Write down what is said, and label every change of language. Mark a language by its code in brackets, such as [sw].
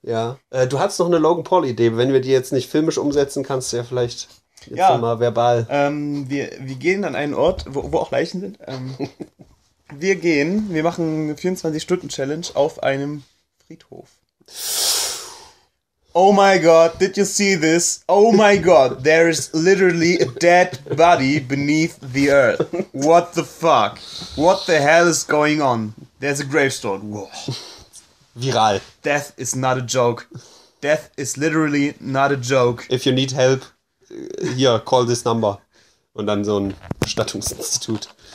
[de] Ja, du hast noch eine Logan Paul-Idee, wenn wir die jetzt nicht filmisch umsetzen, kannst du ja vielleicht jetzt ja. Mal verbal. Wir gehen an einen Ort, wo auch Leichen sind. wir machen eine 24-Stunden-Challenge auf einem Friedhof. [en] Oh my god, did you see this? Oh my god, there is literally a dead body beneath the earth. What the fuck? What the hell is going on? There's a gravestone. Whoa. Viral. Death is not a joke. Death is literally not a joke. If you need help, here, call this number. [de] Und dann so ein Bestattungsinstitut.